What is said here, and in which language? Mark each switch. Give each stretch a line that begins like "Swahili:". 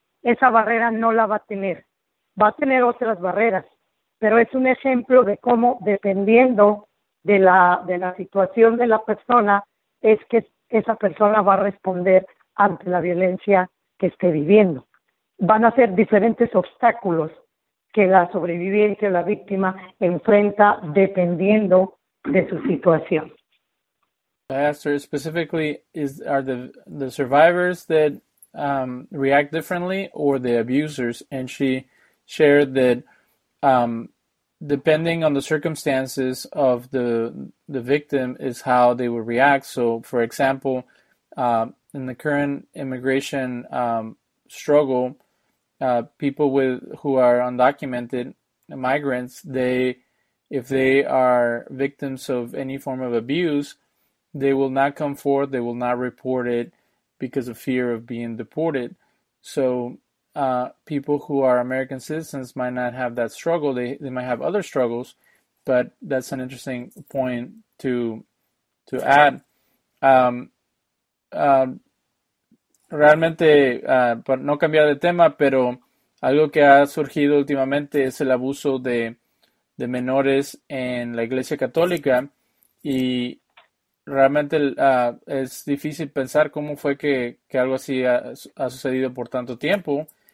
Spanish: Esa barrera no la va a tener. Va a tener otras barreras, pero es un ejemplo de cómo, dependiendo de la situación de la persona, es que esa persona va a responder ante la violencia que esté viviendo. Van a ser diferentes obstáculos que la sobreviviente o la víctima enfrenta dependiendo de su situación.
English: I asked her specifically, are the survivors that react differently or the abusers? And she shared that depending on the circumstances of the victim is how they will react. So, for example, in the current immigration struggle, people who are undocumented migrants, if they are victims of any form of abuse, they will not come forth, they will not report it because of fear of being deported. So people who are American citizens might not have that struggle. They might have other struggles, but that's an interesting point to add.
Spanish: Realmente, para no cambiar de tema, pero algo que ha surgido últimamente es el abuso de menores en la Iglesia Católica y realmente es difícil pensar cómo fue que algo así ha sucedido por tanto tiempo.